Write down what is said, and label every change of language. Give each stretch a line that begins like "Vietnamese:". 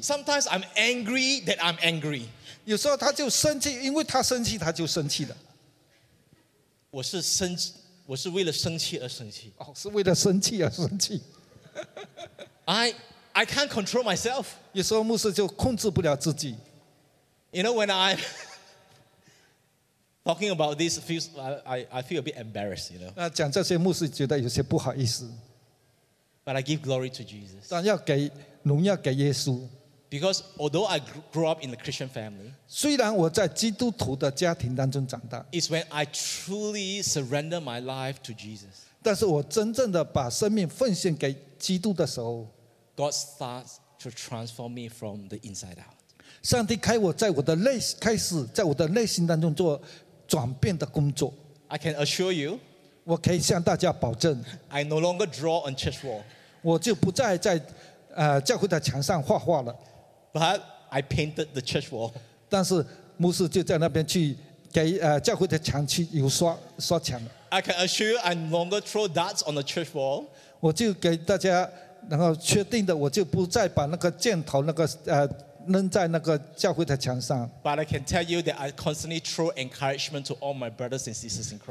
English: Sometimes I'm angry that I'm angry.
Chinese: 有时候他就生气，因为他生气，他就生气了。我是为了生气而生气。哦，是为了生气而生气。
English: I can't control myself.
Chinese: 有时候牧师就控制不了自己。
English: You know when I'm talking about this, I feel a bit embarrassed. You know.
Chinese: 那讲这些，牧师觉得有些不好意思。
English: But I give glory to Jesus.
Chinese: 但要给荣耀给耶稣。
English: Because although I grew up in a Christian family,
Chinese: 虽然我在基督徒的家庭当中长大，
English: is when I truly surrender my life to Jesus.
Chinese: 但是我真正的把生命奉献给基督的时候，
English: God starts to transform me from the inside out.
Chinese: 上帝开我在我的内开始在我的内心当中做转变的工作。
English: I can assure you.
Chinese: 我可以向大家保证
English: I no longer draw on church wall.
Chinese: 我就不再在教会的墙上画画了。
English: But I painted the church wall.
Chinese: 但是牧师就在那边去给教会的墙去油刷刷墙。
English: I can assure you I no longer throw darts on the church wall.
Chinese: 我就给大家然后确定的我就不再把那个箭头那个扔在那个教会的墙上。
English: But I can tell you that I constantly throw encouragement to all my brothers and sisters in Christ.